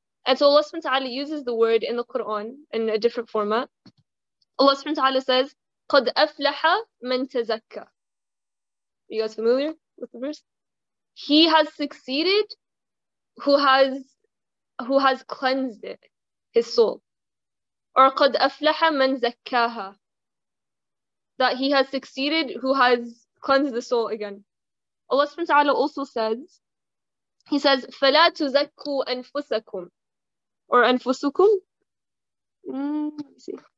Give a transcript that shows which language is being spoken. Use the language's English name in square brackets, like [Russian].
[English] And so Allah subhanahu wa ta'ala uses the word in the Quran in a different format. Allah subhanahu wa ta'ala says, [Arabic] قَدْ أَفْلَحَ مَنْ تَزَكَّى. [English] You guys familiar with the verse? He has succeeded who has cleansed it, his soul. [Arabic] Or قَدْ أَفْلَحَ مَنْ زَكَّاهَا. [English] That he has succeeded who has cleansed the soul again. Allah subhanahu wa ta'ala also says, he says, [Arabic] فَلَا تُزَكُّوا أَنفُسَكُمْ. [English] Or أَنفُسُكُمْ. Let me see.